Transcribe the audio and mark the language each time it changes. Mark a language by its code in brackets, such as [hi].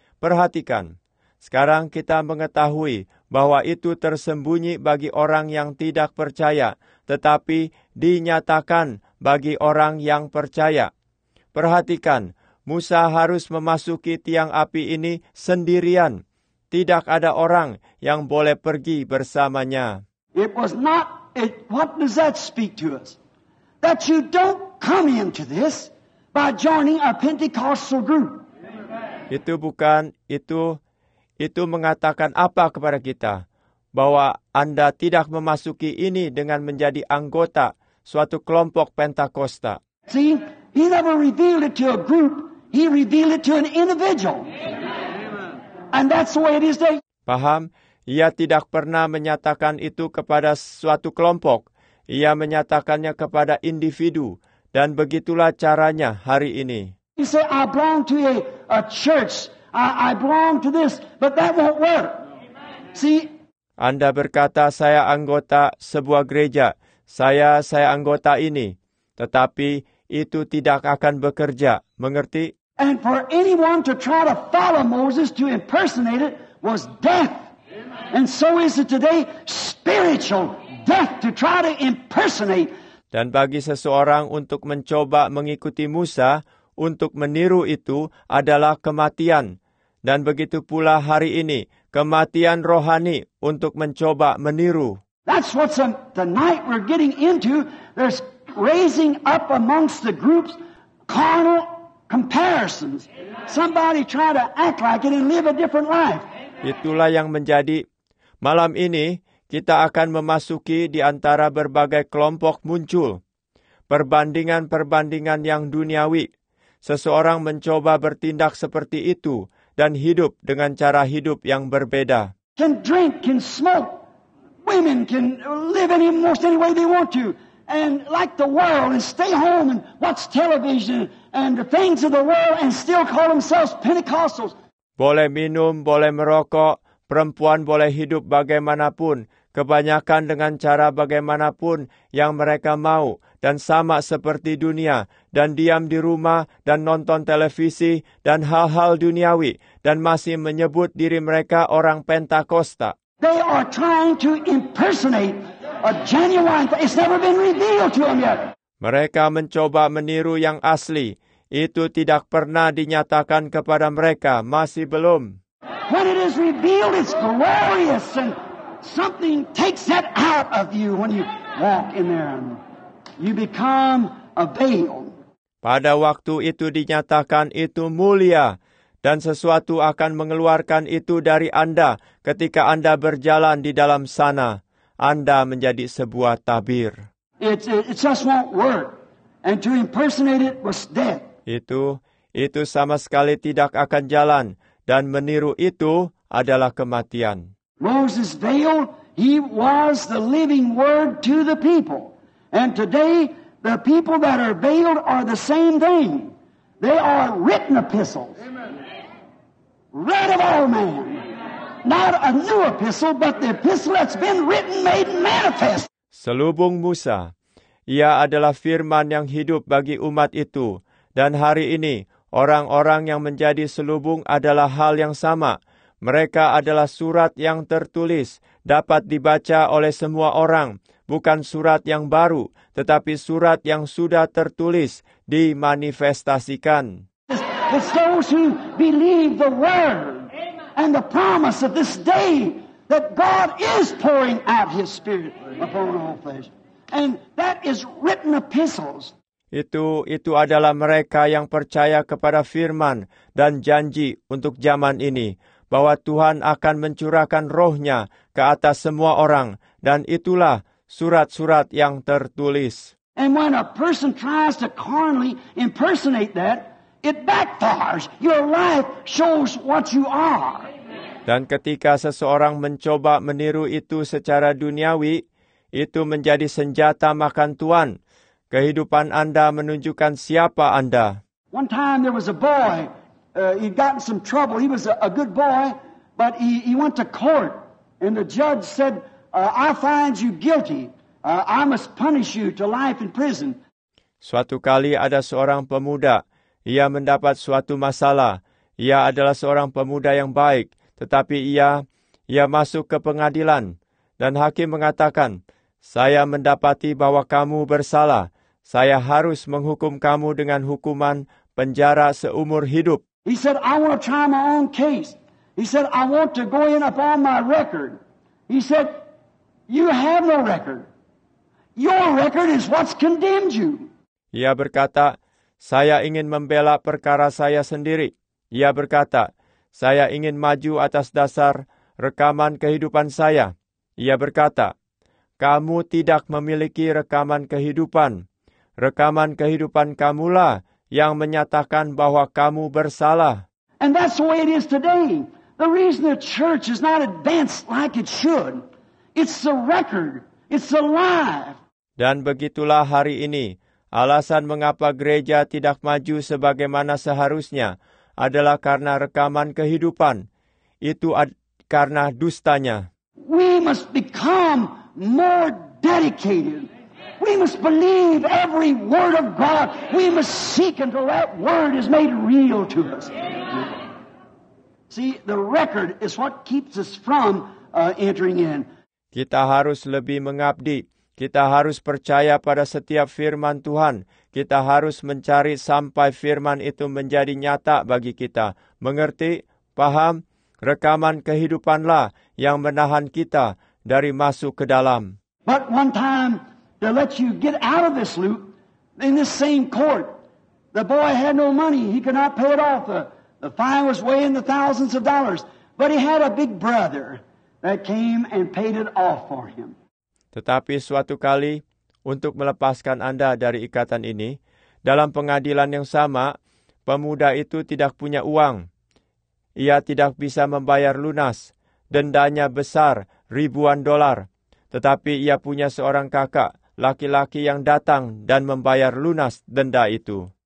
[id] Perhatikan, sekarang kita mengetahui bahwa itu tersembunyi bagi orang yang tidak percaya, tetapi dinyatakan bagi orang yang percaya. Perhatikan, Musa harus memasuki tiang api ini sendirian. Tidak ada orang yang boleh pergi bersamanya. [en] It was not, what does that speak to us? That you don't come into this by joining a Pentecostal group. [id] Itu bukan, itu mengatakan apa kepada kita? Bahwa Anda tidak memasuki ini dengan menjadi anggota suatu kelompok Pentakosta. [en] See, he never revealed it to a group, he revealed it to an individual. And that's the way it is today. [id] Paham? Ia tidak pernah menyatakan itu kepada suatu kelompok. Ia menyatakannya kepada individu. Dan begitulah caranya hari ini. [en] You say, I belong to a church. I belong to this. But that won't work. See? [id] Anda berkata, saya anggota sebuah gereja. Saya anggota ini. Tetapi itu tidak akan bekerja. Mengerti? [en] And for anyone to try to follow Moses to impersonate it was death. Amen. And so is it today, spiritual death to try to impersonate. [id] Dan bagi seseorang untuk mencoba mengikuti Musa, untuk meniru itu adalah kematian. Dan begitu pula hari ini, kematian rohani untuk mencoba meniru. [en] That's what tonight we're getting into. There's raising up amongst the groups carnal comparisons. Somebody try to act like it and live a different life. [id] Itulah yang menjadi malam ini kita akan memasuki di antara berbagai kelompok muncul perbandingan-perbandingan yang duniawi. Seseorang mencoba bertindak seperti itu dan hidup dengan cara hidup yang berbeda. [en] Can drink, can smoke. Women can live almost any way they want to. And like the world, and stay home, and watch television, and the things of the world, and still call themselves Pentecostals. [id] Boleh minum, boleh merokok, perempuan boleh hidup bagaimanapun, kebanyakan dengan cara bagaimanapun yang mereka mau, dan sama seperti dunia, dan diam di rumah, dan nonton televisi, dan hal-hal duniawi, dan masih menyebut diri mereka orang Pentakosta. [en] They are trying to impersonate a genuine thing. It's never been revealed to them yet. [id] Mereka mencoba meniru yang asli. Itu tidak pernah dinyatakan kepada mereka. Masih belum. [en] When it is revealed, it's glorious. And something takes that out of you when you walk in there. You become a veil. [id] Pada waktu itu dinyatakan, itu mulia. dan sesuatu akan mengeluarkan itu dari Anda ketika Anda berjalan di dalam sana. Anda menjadi sebuah tabir. [en] It just won't work. And to impersonate it was death. [id] Itu sama sekali tidak akan jalan, dan meniru itu adalah kematian. [en] Moses veiled, he was the living word to the people. And today, the people that are veiled are the same thing. They are written epistles. Amen. Read of all men. Not a new epistle, but the epistle that's been written, made manifest. [id] Selubung Musa, ia adalah firman yang hidup bagi umat itu. Dan hari ini, orang-orang yang menjadi selubung adalah hal yang sama. Mereka adalah surat yang tertulis, dapat dibaca oleh semua orang. Bukan surat yang baru, tetapi surat yang sudah tertulis, dimanifestasikan. [en] It's those who believe the word and the promise of this day that God is pouring out his spirit upon all flesh. And that is written epistles. [id] Itu adalah mereka yang percaya kepada firman dan janji untuk zaman ini, bahwa Tuhan akan mencurahkan rohnya ke atas semua orang, dan itulah surat-surat yang tertulis. [en] And when a person tries to carnally impersonate that, it backfires. Your life shows what you are. [id] Dan ketika seseorang mencoba meniru itu secara duniawi, itu menjadi senjata makan tuan. Kehidupan Anda menunjukkan siapa Anda. [en] One time there was a boy. He'd gotten some trouble. He was a good boy, but he went to court, and the judge said, "I find you guilty. I must punish you to life in prison." [id] Suatu kali ada seorang pemuda. Ia mendapat suatu masalah. Ia adalah seorang pemuda yang baik, tetapi ia masuk ke pengadilan. Dan hakim mengatakan, "Saya mendapati bahwa kamu bersalah. Saya harus menghukum kamu dengan hukuman penjara seumur hidup." [en] He said, "I want to try my own case." He said, "I want to go in upon my record." He said, "You have no record. Your record is what's condemned you." [id] Ia berkata, "Saya ingin membela perkara saya sendiri." Ia berkata, "Saya ingin maju atas dasar rekaman kehidupan saya." Ia berkata, "Kamu tidak memiliki rekaman kehidupan. Rekaman kehidupan kamulah yang menyatakan bahwa kamu bersalah." [en] And that's the way it is today. The reason the church is not advanced like it should, it's the record, it's the life. [id] Dan begitulah hari ini. Alasan mengapa gereja tidak maju sebagaimana seharusnya adalah karena rekaman kehidupan. Itu karena dustanya. [en] We must become more dedicated. We must believe every word of God. We must seek until that word is made real to us. See, the record is what keeps us from entering in. [id] Kita harus lebih mengabdi. Kita harus percaya pada setiap firman Tuhan. Kita harus mencari sampai firman itu menjadi nyata bagi kita. Mengerti? Paham? Rekaman kehidupanlah yang menahan kita dari masuk ke dalam. [en] But one time, to let you get out of this loop, in this same court, the boy had no money. He could not pay it off. The fine was weighing the thousands of dollars. But he had a big brother that came and paid it off for him. [id] Tetapi suatu kali, untuk melepaskan Anda dari ikatan ini, dalam pengadilan yang sama, pemuda itu tidak punya uang. Ia tidak bisa membayar lunas. Dendanya besar, ribuan dolar. Tetapi ia punya seorang kakak, laki-laki yang datang dan membayar lunas denda itu.